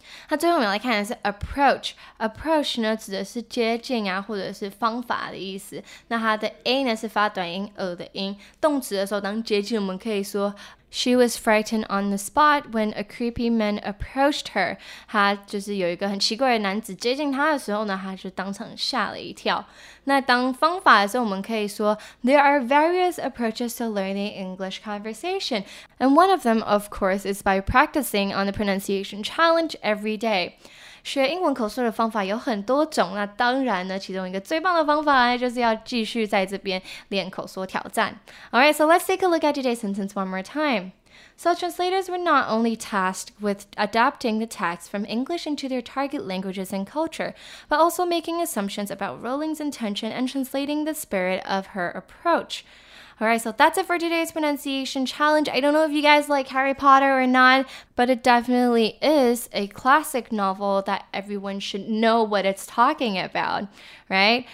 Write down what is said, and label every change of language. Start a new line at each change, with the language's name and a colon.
Chinese: 那最后我们来看的是 approach，approach 呢指的是接近啊，或者是方法的意思。那它的 a 呢是发短音的音，动词的时候当接近，我们可以说
English: She was frightened on the spot when a creepy man approached her.
Chinese: 她就是有一个很奇怪的男子接近她的时候呢，她就当场吓了一跳。那当方法的时候，我们可以说
English: There are various approaches to learning English conversation, and one of them, of course, is by practicing on the pronunciation challenge every day.
Chinese: 学英文口说的方法有很多种，那当然呢，其中一个最棒的方法呢，就是要继续在这边练口说挑战。
English: All right, so let's take a look at today's sentence one more time. So translators were not only tasked with adapting the text from English into their target languages and culture, but also making assumptions about Rowling's intention and translating the spirit of her approach. All right, so that's it for today's pronunciation challenge. I don't know if you guys like Harry Potter or not, but it definitely is a classic novel that everyone should know what it's talking about, right?